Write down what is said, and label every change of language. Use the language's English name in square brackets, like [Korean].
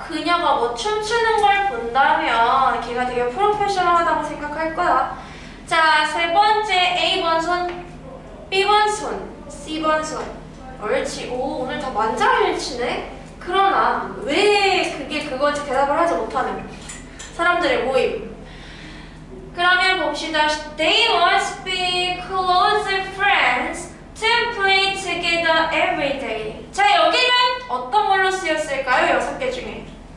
[Korean] 그녀가 뭐 춤추는 걸 본다면 걔가 되게 프로페셔널하다고 생각할 거야. 자, 세 번째 A번 손, B번 손, C번 손. 옳지. 오, 오늘 다 만장일치네? 그러나 왜 그게 그건지 대답을 하지 못하는 사람들의 모임. 그러면 봅시다. [English] They must be close friends to play together every day. [Korean] 자, 여기는 어떤 걸로 쓰였을까요? 여섯 개 중에.